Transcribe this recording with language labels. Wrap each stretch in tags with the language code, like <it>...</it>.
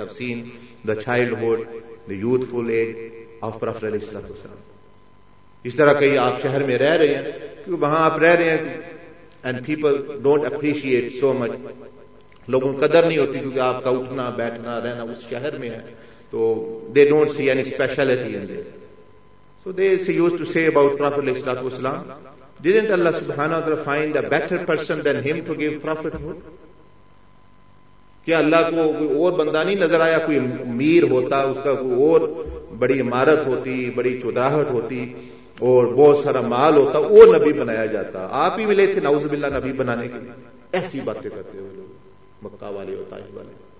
<en>Have seen the childhood the youthful age of prophet علیہ الصلوۃ والسلام.</en> <ur>اس طرح کہیں آپ شہر میں رہ رہے ہیں کیونکہ وہاں آپ رہ رہے ہیں</ur> <en>and people don't appreciate so much,</en> <ur>لوگوں کی قدر نہیں ہوتی کیونکہ آپ کا اٹھنا بیٹھنا رہنا اس شہر میں ہے, تو</ur> <en>They don't see any speciality in there. So they see use to see about prophet علیہ الصلوۃ والسلام, Didn't Allah subhanahu wa ta'ala find a better person than him to give prophethood?</en> <ur>کیا اللہ کو کوئی اور بندہ نہیں نظر آیا, کوئی امیر ہوتا, اس کا کوئی اور بڑی عمارت ہوتی, بڑی چودراہٹ ہوتی اور بہت سارا مال ہوتا, وہ نبی بنایا جاتا, آپ ہی ملے تھے نعوذ باللہ نبی بنانے کے لیے. ایسی باتیں کرتے ہو لوگ مکہ والے اور طائف والے.</ur>